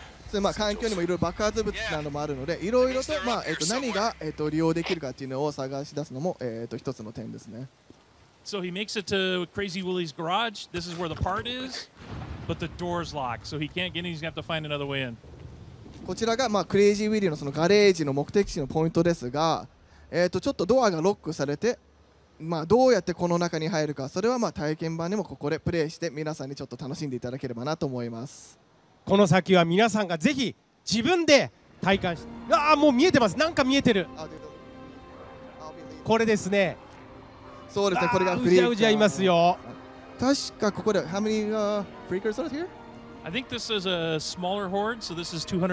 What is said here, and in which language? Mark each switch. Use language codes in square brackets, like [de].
[ja] So, まあ環境にもいろいろ爆発物などもあるので、いろいろとまあ何が利用できるかっていうのを探し出すのも一つの点ですね。 [en] So he makes it to Crazy Willie's garage. This is where the part is, but the door's locked, so he can't get in. He's gonna have to find another way in. [ja] こちらがまあクレイジーウィリーのそのガレージの目的地のポイントですが、ちょっとドアがロックされて。まあ、どうやってこの中に入るか、それはまあ体験版でもここでプレイして皆さんにちょっと楽しんでいただければなと思います。この先は皆さんがぜひ自分で体感して、ああもう見えてます、なんか見えてる、これですね。そうですね、これがフリーカー、うじゃうじゃいますよ。確かここで [en] How many freakers are here? I think this is a smaller horde, so this is